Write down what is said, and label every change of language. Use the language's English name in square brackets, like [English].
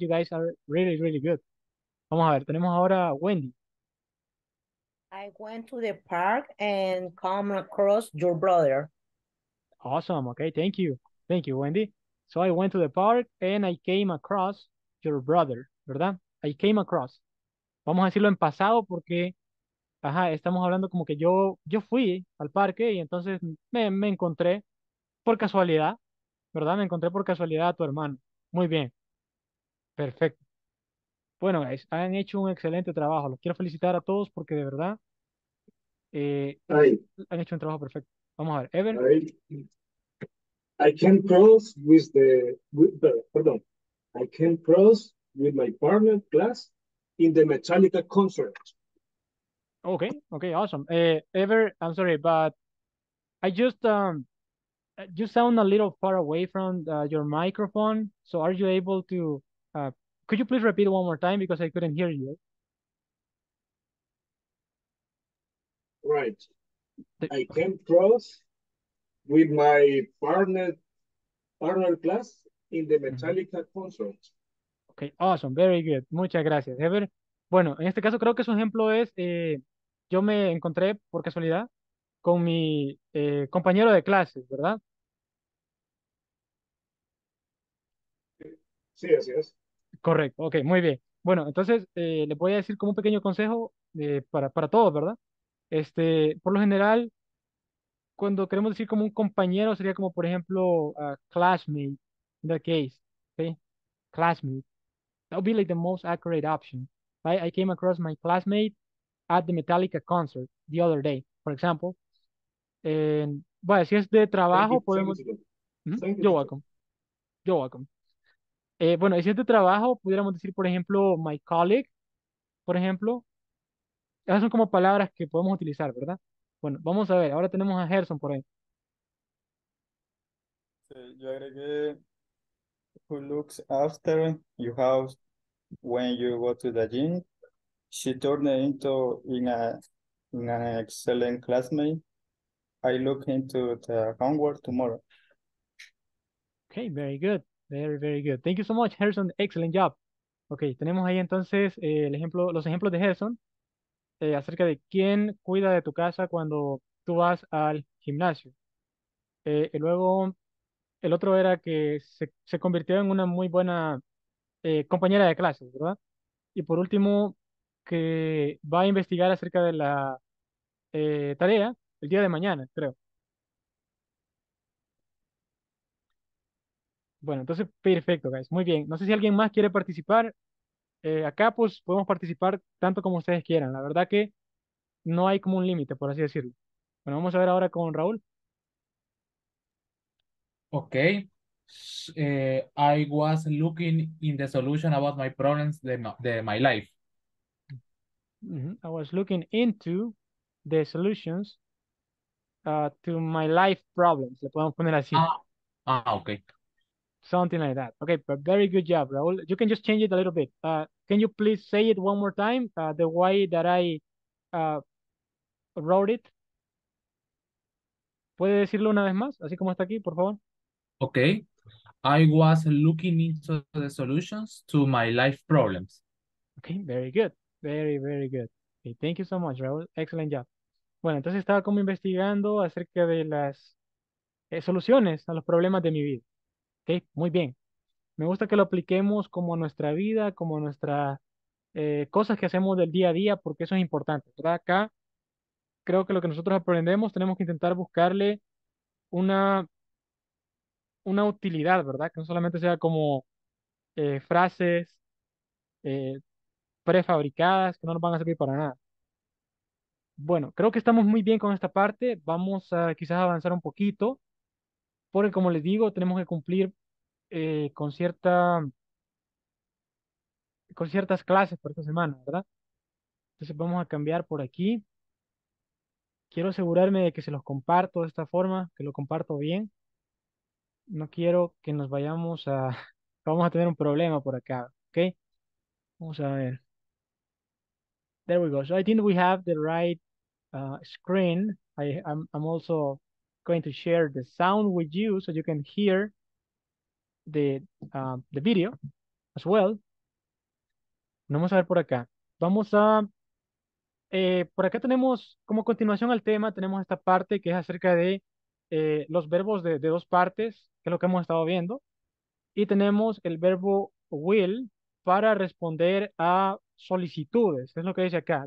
[English] You guys are really, really good. [Spanish] Vamos a ver, tenemos ahora Wendy. [English] I went to the park and come across your brother. Awesome. Okay, thank you. Thank you, Wendy. So I went to the park and I came across your brother, [Spanish] ¿verdad? [English] I came across. [Spanish] Vamos a decirlo en pasado porque, ajá, estamos hablando como que yo fui al parque y entonces me encontré por casualidad, ¿verdad? Me encontré por casualidad a tu hermano. Muy bien. Perfecto. Bueno, guys, han hecho un excelente trabajo. Los quiero felicitar a todos porque de verdad han hecho un trabajo perfecto. Vamos a ver, Evan. [English] I can cross I can cross with my partner class in the Metallica concert. Okay, awesome. Ever, I'm sorry, but I just you sound a little far away from your microphone. So are you able to could you please repeat one more time because I couldn't hear you? Right. I can cross with my partner class in the Metallica concert. Okay, awesome, very good. [Spanish] Muchas gracias, Ever. Bueno, en este caso creo que su ejemplo es yo me encontré por casualidad con mi compañero de clases, ¿verdad? Sí, así es. Correcto, ok, muy bien. Bueno, entonces le voy a decir como un pequeño consejo para todos, ¿verdad? Por lo general, cuando queremos decir como un compañero, sería como, por ejemplo, classmate, [English] in that case, okay? [Spanish] Classmate. [English] That would be like the most accurate option. I came across my classmate at the Metallica concert the other day, for example. [Spanish] And, bueno, si es de trabajo, podemos... [English] You're welcome. [Spanish] Bueno, si es de trabajo, pudiéramos decir, por ejemplo, [English] my colleague, [Spanish] por ejemplo. Esas son como palabras que podemos utilizar, ¿verdad? Bueno, vamos a ver, ahora tenemos a Gerson por ahí. Sí, yo agregué, [English] who looks after your house when you go to the gym. She turned into an excellent classmate. I look into the homework tomorrow. Okay, very good. Very, very good. Thank you so much, Harrison. Excellent job. [Spanish] Okay, tenemos ahí entonces los ejemplos de Harrison acerca de quién cuida de tu casa cuando tú vas al gimnasio. Y luego, el otro era que se convirtió en una muy buena compañera de clases, ¿verdad? Y por último, que va a investigar acerca de la tarea el día de mañana, creo. Bueno, entonces, perfecto, guys. Muy bien. No sé si alguien más quiere participar. Acá, pues, podemos participar tanto como ustedes quieran. La verdad que no hay como un límite, por así decirlo. Bueno, vamos a ver ahora con Raúl. Ok. [English] I was looking in the solution about my problems de my life. I was looking into the solutions to my life problems. [Spanish] Le podemos poner así. Ok. [English] Something like that. Okay, but very good job, Raúl. You can just change it a little bit. Can you please say it one more time, the way that I wrote it? [Spanish] ¿Puede decirlo una vez más, así como está aquí, por favor? Okay. [English] I was looking into the solutions to my life problems. Okay, very good. Very, very good. Okay, thank you so much, Raúl. Excellent job. [Spanish] Bueno, entonces estaba como investigando acerca de las soluciones a los problemas de mi vida. Okay, muy bien. Me gusta que lo apliquemos como a nuestra vida, como a nuestras cosas que hacemos del día a día, porque eso es importante, ¿verdad? Acá creo que lo que nosotros aprendemos tenemos que intentar buscarle una utilidad, ¿verdad? Que no solamente sea como frases prefabricadas que no nos van a servir para nada. Bueno, creo que estamos muy bien con esta parte. Vamos a quizás avanzar un poquito, porque como les digo, tenemos que cumplir con ciertas clases por esta semana, ¿verdad? Entonces vamos a cambiar por aquí. Quiero asegurarme de que se los comparto de esta forma, que lo comparto bien. No quiero que nos vayamos a... Vamos a tener un problema por acá, ¿ok? Vamos a ver. [English] There we go. So I think we have the right screen. I'm also going to share the sound with you so you can hear the video as well. [Spanish] Vamos a ver por acá. Vamos a... por acá tenemos, como continuación al tema, tenemos esta parte que es acerca de los verbos de dos partes, que es lo que hemos estado viendo. Y tenemos el verbo will para responder a solicitudes. Es lo que dice acá.